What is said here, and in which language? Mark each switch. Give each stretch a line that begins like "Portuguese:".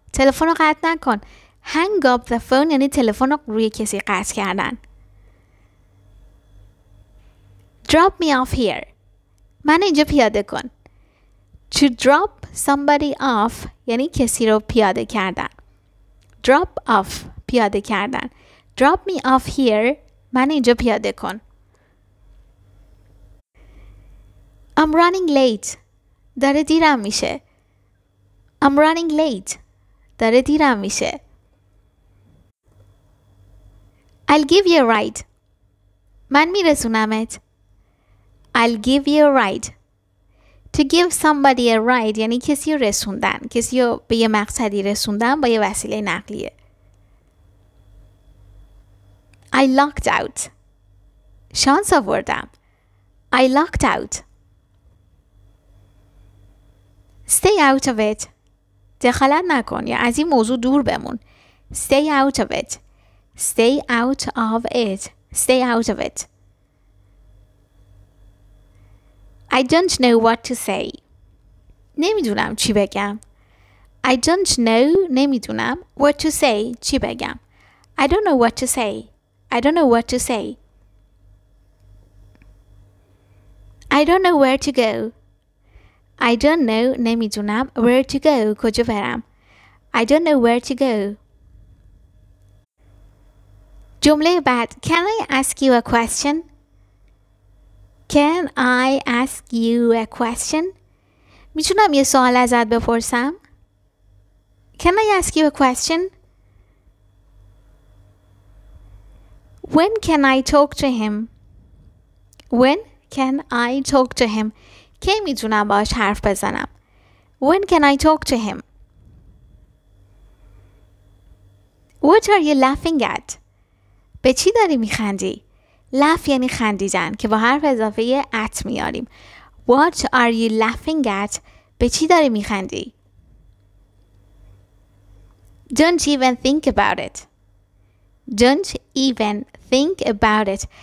Persian: تلفن رو قطع نکن.
English: Hang up the phone
Persian: یعنی تلفن رو روی کسی قطع کردن.
English: Drop me off here.
Persian: من اینجا پیاده کن.
English: To drop somebody off
Persian: یعنی کسی رو پیاده کردن. Drop off پیاده کردن.
English: Drop me off here.
Persian: من اینجا پیاده کن.
English: I'm running late.
Persian: داره دیرم میشه.
English: I'm running late.
Persian: داره دیرم میشه.
English: I'll give you a ride.
Persian: من میرسونمت.
English: I'll give you a ride. To give somebody a ride
Persian: یعنی کسی رو رسوندن. کسی رو به یه مقصدی رسوندن با یه وسیله نقلیه.
English: I locked out.
Persian: شانس آوردم.
English: I locked out. Stay out of it.
Persian: دخالت نکن یا از این موضوع دور بمون.
English: Stay out of it. Stay out of it. Stay out of it. I don't know what to say.
Persian: نمیدونم چی بگم.
English: I don't know.
Persian: نمیدونم.
English: What to say.
Persian: چی بگم.
English: I don't know what to say. I don't know what to say. I don't know where to go. I don't know,
Persian: نمیدونم,
English: where to go,
Persian: کجا برم.
English: I don't know where to go.
Persian: جمله بعد,
English: can I ask you a question? Can I ask you a question?
Persian: میتونم یه سوال ازت بپرسم?
English: Can I ask you a question? When can I talk to him? When can I talk to him?
Persian: کی میتونم باهاش حرف بزنم.
English: When can I talk to him? What are you laughing at?
Persian: به چی داری میخندی؟ Laugh یعنی خندیدن که با حرف اضافه یه at میاریم.
English: What are you laughing at?
Persian: به چی داری میخندی؟
English: Don't even think about it. Don't even think about it.